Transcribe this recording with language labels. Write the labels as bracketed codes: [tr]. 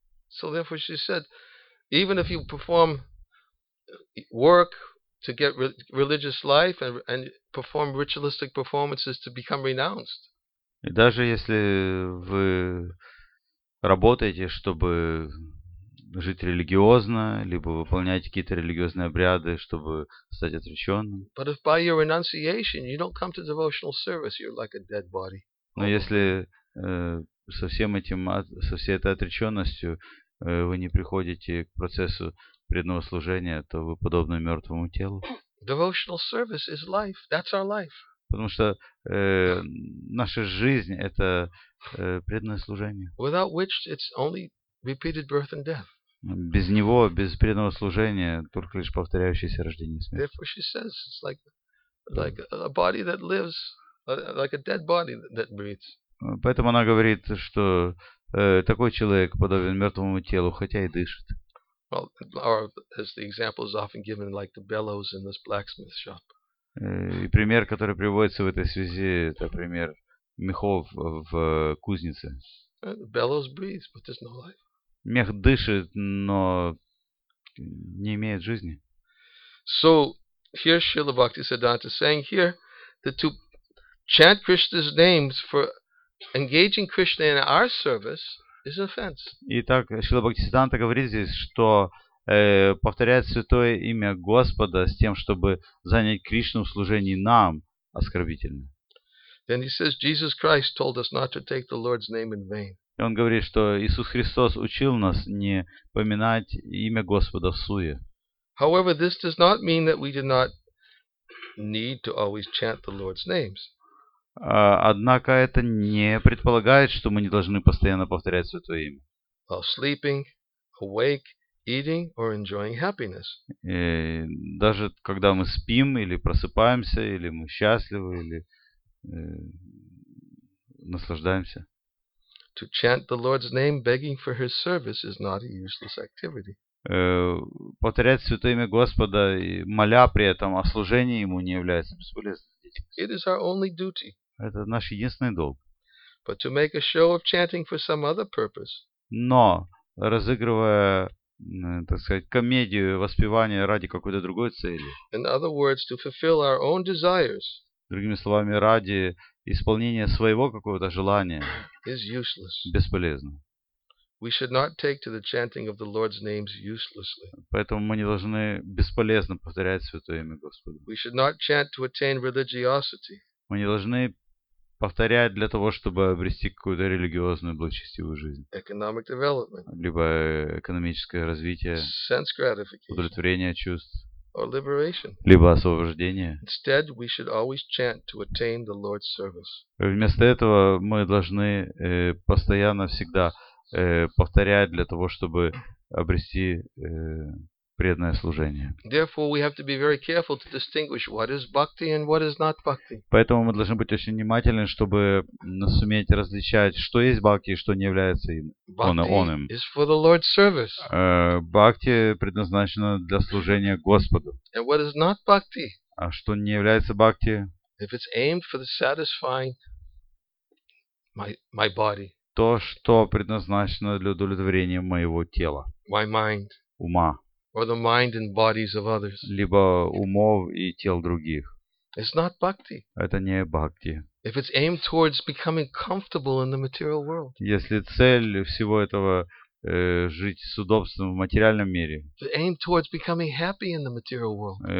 [en] So therefore she said, even if you perform work to get religious life and perform ritualistic performances to become renounced. [ru] И даже если вы работаете, чтобы жить религиозно, либо выполнять какие-то религиозные обряды, чтобы стать отреченным. [en] But if by your renunciation you don't come to devotional service, you're like a dead body. [ru] Но если со всем этим, со всей этой отреченностью вы не приходите к процессу преданного служения, то вы подобны мертвому телу. [en] Devotional service is life. That's our life. [ru] Потому что наша жизнь – это преданное служение. [en] Without which it's only repeated birth and death. [ru] Без него, без преданного служения, только лишь повторяющееся рождение и смерть. [en] Therefore she says, it's like a body that lives, like a dead body that breathes. [ru] Поэтому она говорит, что такой человек подобен мертвому телу, хотя и дышит. [en] Well, or as the example is often given, like the bellows in this blacksmith shop. [ru] И пример, который приводится в этой связи, это пример мехов в кузнице. [en] The bellows breathes, but there's no life. [ru] Мех дышит, но не имеет жизни. [en] So here Srila Bhaktisiddhanta saying here that to chant Krishna's names for engaging Krishna in our service is an offense. [ru] Итак, Шрила Бхактисиддханта говорит здесь, что повторять святое имя Господа с тем, чтобы занять Кришну в служении нам, оскорбительно. [en] Then he says Jesus Christ told us not to take the Lord's name in vain. [ru] И он говорит, что Иисус Христос учил нас не поминать имя Господа в суе. [en] However, this does not mean that we do not need to always chant the Lord's names. [ru] Однако это не предполагает, что мы не должны постоянно повторять Святое имя. [en] While sleeping, awake, eating, or enjoying happiness. [ru] И даже когда мы спим или просыпаемся, или мы счастливы, или наслаждаемся. [en] To chant the Lord's name, begging for His service, is not a useless activity. [ru] Повторять Святое имя Господа, моля при этом о служении Ему, не является бесполезным. [en] It is our only duty. [ru] Это наш единственный долг. [en] But to make a show of chanting for some other purpose. [ru] Но разыгрывая, так сказать, комедию воспевания ради какой-то другой цели. [en] In other words, to fulfill our own desires. [ru] Другими словами, ради исполнения своего какого-то желания. [en] Is useless. [ru] Бесполезно. [en] We should not take to the chanting of the Lord's names uselessly. [ru] Поэтому мы не должны бесполезно повторять Святое имя Господа. [en] We should not chant to attain religiosity. [ru] Мы не должны повторять для того, чтобы обрести какую-то религиозную благочестивую жизнь. [en] Economic development. [ru] Либо экономическое развитие. [en] Sense gratification. [ru] Удовлетворение чувств. [en] Or liberation. [ru] Либо освобождение. [en] Instead, we should always chant to attain the Lord's service. [ru] Вместо этого мы должны постоянно всегда повторять для того, чтобы обрести преданное служение. [en] Therefore, we have to be very careful to distinguish what is bhakti and what is not bhakti. [ru] Поэтому мы должны быть очень внимательны, чтобы суметь различать, что есть бхакти и что не является оным. [en] Is for the Lord's service. [ru] Бхакти предназначена для служения Господу. [en] And what is not bhakti? [ru] А что не является бхакти? [en] If it's aimed for the satisfying my body. [ru] То, что предназначено для удовлетворения моего тела. [en] My mind. [ru] Ума. [en] Or the mind and bodies of others. [ru] Либо умов и тел других. [en] It's not bhakti. [ru] Это не бхакти. [en] If it's aimed towards becoming comfortable in the material world. [ru] Если цель всего этого жить с удобством в материальном мире. [en] Aim towards becoming happy in the material world.